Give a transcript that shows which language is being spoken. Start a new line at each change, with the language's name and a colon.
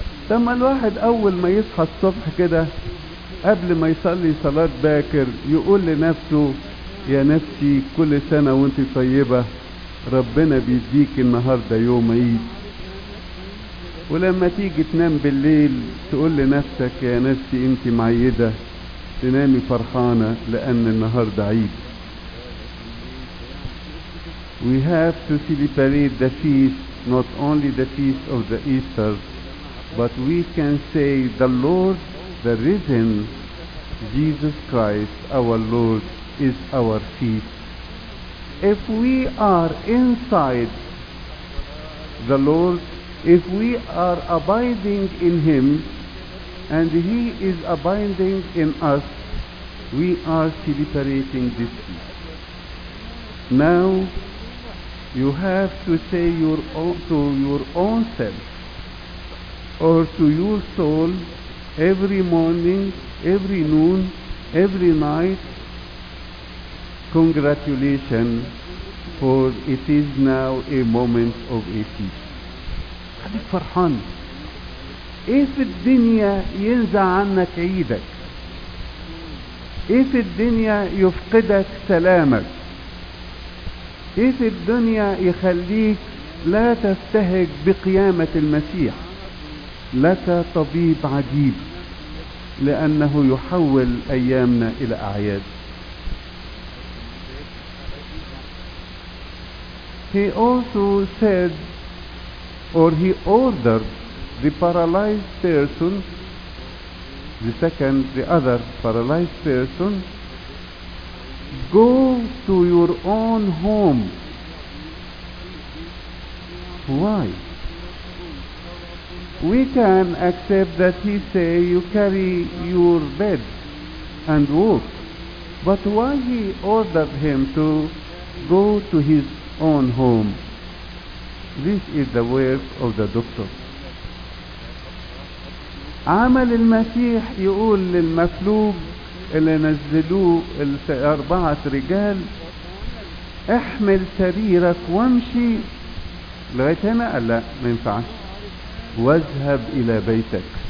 Arabic: طب ما الواحد اول ما يصحى الصبح كده قبل ما يصلي صلاة باكر يقول لنفسه يا نفسي كل سنة وانت طيبة، ربنا بيديك النهاردة يوم عيد. ولما تيجي تنام بالليل تقول لنفسك يا نفسي انت معيدة، تنامي فرحانة لان النهاردة عيد.
English: We have to celebrate the feast, not only the feast of the Easter, but we can say the Lord, the risen Jesus Christ, our Lord, is our feast. If we are inside the Lord, if we are abiding in Him, and He is abiding in us, we are celebrating this feast. Now, you have to say to your own self or to your soul every morning, every noon, every night, congratulations, for it is now a moment of peace.
Arabic: خليك فرحان. ايه في الدنيا ينزع عنك عيدك؟ ايه في الدنيا يفقدك سلامك؟ ايه في الدنيا يخليك لا تستهج بقيامة المسيح؟ لك طبيب عجيب لأنه يحول أيامنا إلى أعياد.
English: He also said or he ordered the paralyzed person, the other paralyzed person, go to your own home. Why? We can accept that he say you carry your bed and walk, but why he ordered him to go to his own home? This is the work of the doctor.
Arabic: عمل المسيح يقول للمفلوج اللي نزلوه الأربعة رجال احمل سريرك وامشي. لغاية هنا قال لا ما ينفعش، واذهب إلى بيتك.